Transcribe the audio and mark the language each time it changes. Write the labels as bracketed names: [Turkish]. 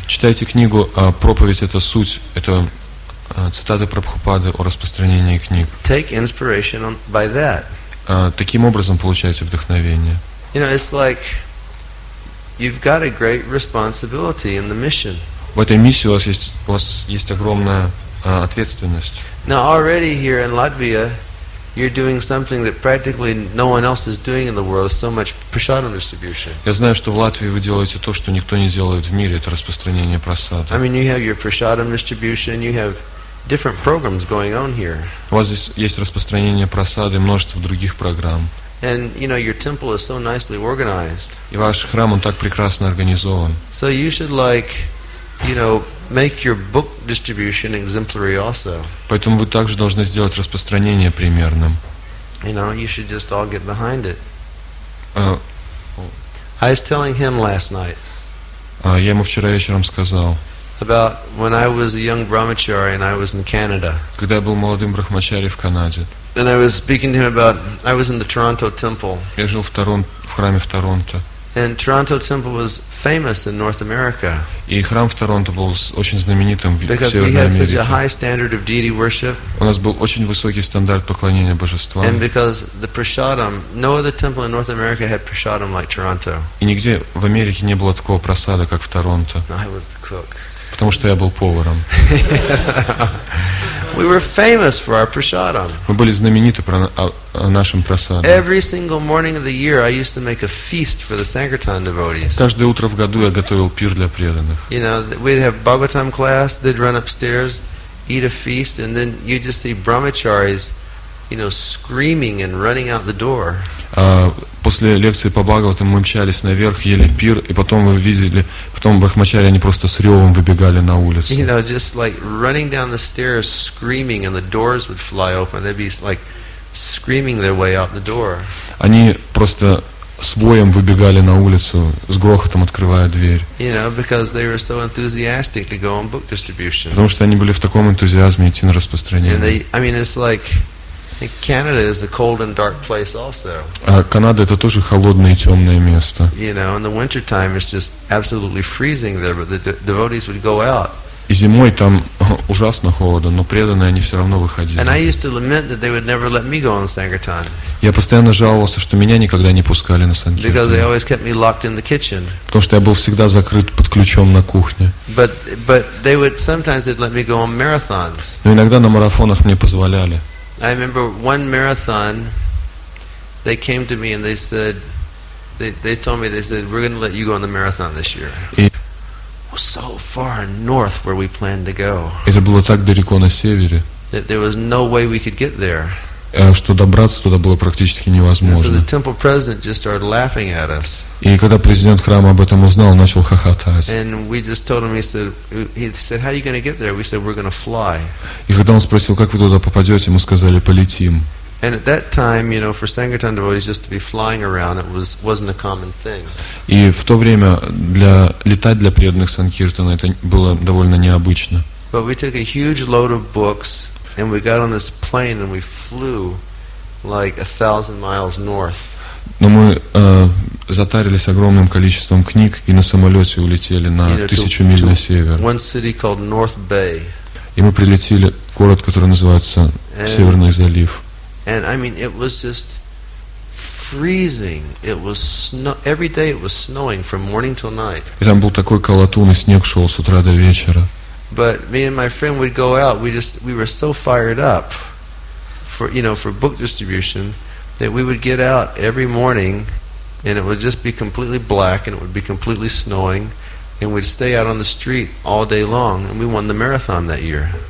[Russian] Читайте книгу «Проповедь – это суть». Это цитаты Прабхупады о распространении книг. [English] Take inspiration by that. [Russian] Таким образом получаете вдохновение. [English] You know, it's like you've got a great responsibility in the mission. [Russian] В этой миссии у вас есть огромная ответственность. [English] Now already here in Latvia, you're doing something that practically no one else is doing in the world. So much prasadam distribution. [Russian] Я знаю, что в Латвии вы делаете то, что никто не делает в мире, это распространение прасада. [English] I mean, you have your prasadam distribution. You have different programs going on here. [Russian] У вас здесь есть распространение просады, множество других программ. [English] And you know your temple is so nicely organized. [Russian] И ваш храм он так прекрасно организован. [English] So you should like, you know, make your book distribution exemplary also. [Russian] Поэтому вы также должны сделать распространение примерным. [English] You know, you should just all get behind it. I was telling him last night. [Russian] Я ему вчера вечером сказал. [English] About when I was a young brahmachari and I was in Canada. [Russian] Когда я был молодым брахмачари в Канаде. [English] And I was speaking to him about I was in the Toronto Temple. [Russian] Я жил в храме в Торонто. [English] And Toronto Temple was famous in North America. [Russian] И храм в Торонто был очень знаменитым в Северной Америке. [English] Because we had such a high standard of deity worship. [Russian] У нас был очень высокий стандарт поклонения божествам. [English] And because the prasadam, no other temple in North America had prasadam like Toronto. [Russian] И нигде в Америке не было такого просада, как в Торонто. [English] I was the cook. [Russian] Потому что я был поваром. [English] We were famous for our prasadam. [Russian] Мы были знамениты про нашим прасадам. [English] Every single morning of the year I used to make a feast for the sankirtan devotees. [Russian] Каждое утро в году я готовил пир для преданных. [English] You know, we'd have bhagavatam class, they'd run upstairs, eat a feast, and then you just see brahmacharis, you know, screaming and running out the door. [Russian] После лекции по Бхагаватам мы мчались наверх, ели пир, и потом вы видели, потом брахмачари, они просто с ревом выбегали на улицу. [English] You know, just like running down the stairs screaming, and the doors would fly open, they'd be like screaming their way out the door. [Russian] Они просто с воем выбегали на улицу, с грохотом открывая дверь. [English] You know, because they were so enthusiastic to go on book distribution. [Russian] Потому что они были в таком энтузиазме идти на распространение. [English] And they, I mean, it's like Canada is a cold and dark place also. [Russian] Канада это тоже холодное и темное место. [English] You know, in the winter time it's just absolutely freezing there, but the devotees would go out. [Russian] И зимой там ужасно холодно, но преданные они все равно выходили. [English] And I used to lament that they would never let me go on sankirtan. [Russian] Я постоянно жаловался, что меня никогда не пускали на санкиртан. [English] Because they always kept me locked in the kitchen. [Russian] Потому что я был всегда закрыт под ключом на кухне. [English] But they would sometimes they'd let me go on marathons. [Russian] Но иногда на марафонах мне позволяли. [English] I remember one marathon, they came to me and they said, they told me, they said, we're going to let you go on the marathon this year. So far north where we planned to go. [Russian] Это было так далеко на севере. [English] That there was no way we could get there. [Russian] Что добраться туда было практически невозможно. [English] And so the temple president just started laughing at us. [Russian] И когда президент храма об этом узнал, он начал хохотать. [English] And we just told him, he said, how are you going to get there? We said, we're going to fly. [Russian] И когда он спросил, как вы туда попадете, мы сказали, полетим. [English] And at that time, you know, for sankirtan devotees just to be flying around, it wasn't a common thing. [Russian] И в то время летать для преданных санкиртана это было довольно необычно. [English] But we took a huge load of books and we got on this plane and we flew like 1,000 miles north. [Russian] Но мы затарились огромным количеством книг и на самолете улетели на 1000 миль на север. [English] One city called North Bay. [Russian] И мы прилетели в город, который называется Северный залив. [English] And I mean, it was just freezing. It was snow. Every day it was snowing from morning till night. [Russian] И там был такой колотун, и снег шел с утра до вечера. [English] But me and my friend would go out. We were so fired up for, you know, for book distribution that we would get out every morning, and it would just be completely black, and it would be completely snowing, and we'd stay out on the street all day long, and we won the marathon that year.